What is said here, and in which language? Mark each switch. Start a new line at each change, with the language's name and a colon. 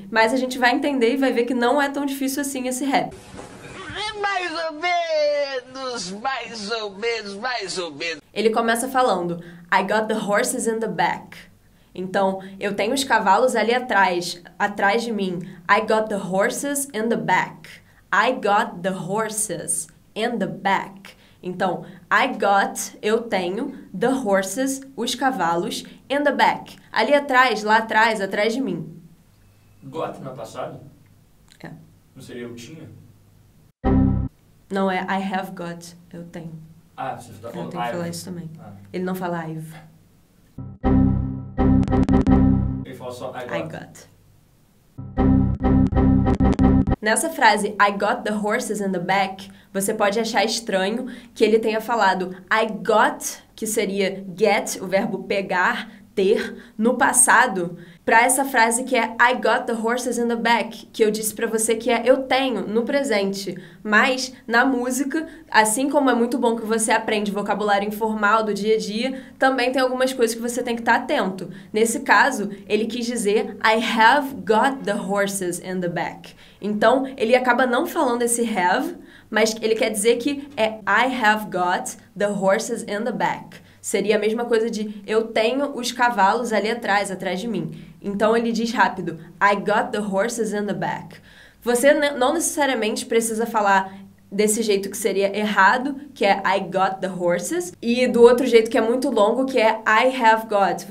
Portuguese: Mas a gente vai entender e vai ver que não é tão difícil assim esse rap. Mais ou menos, mais ou menos, mais ou menos. Ele começa falando:
English: I got the horses in the back.
Portuguese: Então, eu tenho os cavalos ali atrás, atrás de mim.
English: I got the horses in the back. I got the horses in the back. Então, I got,
Portuguese: eu tenho,
English: the horses,
Portuguese: os cavalos,
English: in the back.
Portuguese: Ali atrás, lá atrás, atrás de mim. Got no passado? É. Não seria eu tinha? Não, é
English: I have got,
Portuguese: eu tenho. Ah, você está falando I. Eu tenho que falar isso também. Ah. Ele não fala I've. Ele fala só
English: I got. I got.
Portuguese: Nessa frase,
English: I got the horses in the back,
Portuguese: você pode achar estranho que ele tenha falado I got, que seria get, o verbo pegar, ter, no passado, para essa frase que é I got the horses in the back, que eu disse para você que é eu tenho, no presente. Mas, na música, assim como é muito bom que você aprende vocabulário informal do dia a dia, também tem algumas coisas que você tem que estar atento. Nesse caso, ele quis dizer
English: I have got the horses in the back.
Portuguese: Então, ele acaba não falando esse have, mas ele quer dizer que é
English: I have got the horses in the back.
Portuguese: Seria a mesma coisa de eu tenho os cavalos ali atrás, atrás de mim. Então, ele diz rápido,
English: I got the horses in the back.
Portuguese: Você não necessariamente precisa falar desse jeito que seria errado, que é
English: I got the horses,
Portuguese: e do outro jeito que é muito longo, que é
English: I have got.